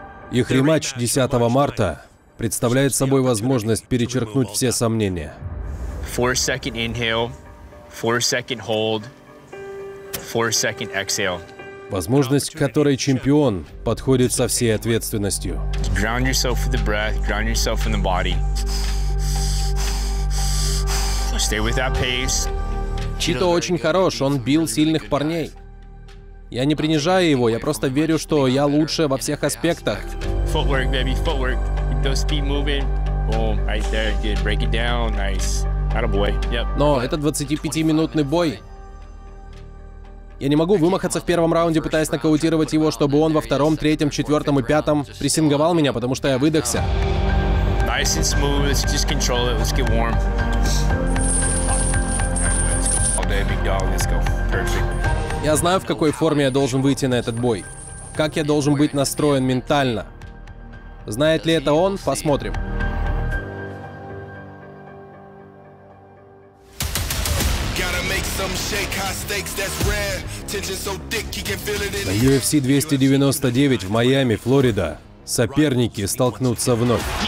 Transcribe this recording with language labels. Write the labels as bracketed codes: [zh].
[ru] Их рематч 10 марта представляет собой возможность перечеркнуть все сомнения. [en] 4-second inhale, 4-second hold, 4-second exhale. [ru] Возможность, к которой чемпион подходит со всей ответственностью. [en] Ground yourself in the breath, ground yourself in the body. Stay with that pace. [ru] Чито очень хорош, он бил сильных парней. Я не принижаю его, я просто верю, что я лучше во всех аспектах. [en] Footwork, baby, footwork. Keep those feet moving. Boom, right there, good. Break it down, nice. Attaboy. Yep. [ru] Но это 25-минутный бой. Я не могу вымахаться в первом раунде, пытаясь нокаутировать его, чтобы он во втором, третьем, четвертом и пятом прессинговал меня, потому что я выдохся. [en] Nice and smooth, let's just control it, let's get warm. All day, big dog, let's go. Perfect. [ru] Я знаю, в какой форме я должен выйти на этот бой. Как я должен быть настроен ментально. Знает ли это он? Посмотрим. На UFC 299 в Майами, Флорида, соперники столкнутся вновь.